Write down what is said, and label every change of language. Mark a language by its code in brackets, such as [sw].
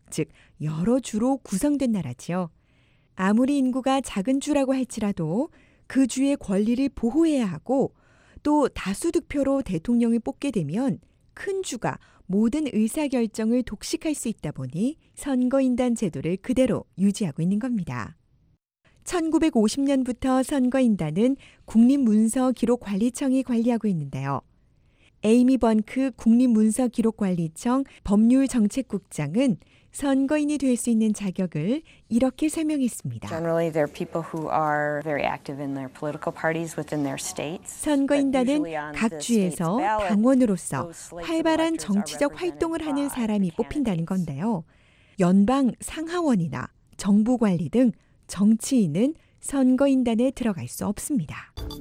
[ko] 즉 여러 주로 구성된 나라지요. 아무리 인구가 작은 주라고 할지라도 그 주의 권리를 보호해야 하고 또 다수득표로 대통령을 뽑게 되면 큰 주가 모든 의사결정을 독식할 수 있다 보니 선거인단 제도를 그대로 유지하고 있는 겁니다. 1950년부터 선거인단은 국립문서기록관리청이 관리하고 있는데요. 에이미 번크 국립문서기록관리청 법률정책국장은 선거인이 될 수 있는 자격을 이렇게 설명했습니다. [en] Generally, there are people who are very active in their political parties within their states. [ko] 선거인단은 각 주에서 당원으로서 활발한 정치적 활동을 하는 사람이 뽑힌다는 건데요. 연방 상하원이나 정부 관리 등 정치인은 선거인단에 들어갈 수 없습니다.